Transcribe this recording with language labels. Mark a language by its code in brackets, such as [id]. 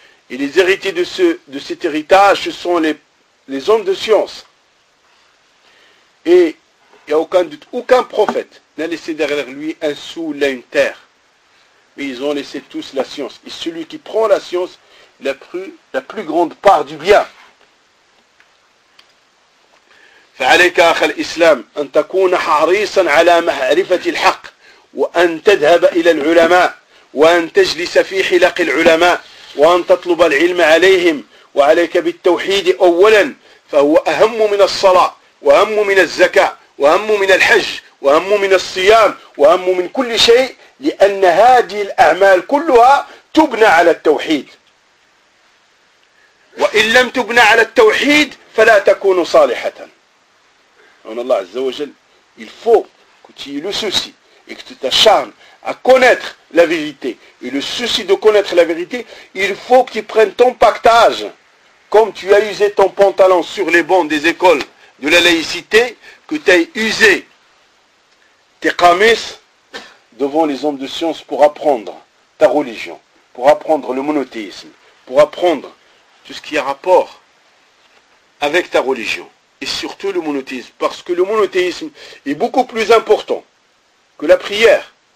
[fr] Et les héritiers de cet héritage, ce sont les hommes de science. Et il n'y a aucun doute, aucun prophète n'a laissé derrière lui un sou ou une terre. Mais ils ont laissé tous la science. Et celui qui prend la science, il a pris la plus grande part du bien. [ar] فَعَلَيْكَ أَخَ الْإِسْلَامِ أَنْ تَكُونَ حَارِيصًا عَلَى مَعْرِفَةِ الْحَقِّ وَأَنْ تَذْهَبَ إِلَى الْعُلَمَاءِ وَأَنْ تَجْلِسَ فِي حِلَقِ الْعُلَمَاءِ وأن تطلب العلم عليهم وعليك بالتوحيد أولا فهو أهم من الصلاة وأهم من الزكاة وأهم من الحج وأهم من الصيام وأهم من كل شيء لأن هذه الأعمال كلها تبنى على التوحيد وإن لم تبنى على التوحيد فلا تكون صالحة. أن الله عز وجل [fr] il faut que tu aies le souci et que tu t'acharnes à connaître la vérité. Et le souci de connaître la vérité, il faut que tu prennes ton pactage, comme tu as usé ton pantalon sur les bancs des écoles de la laïcité, que tu aies usé tes kamis devant les hommes de science pour apprendre ta religion, pour apprendre le monothéisme, pour apprendre tout ce qui a rapport avec ta religion, et surtout le monothéisme, parce que le monothéisme est beaucoup plus important que la prière,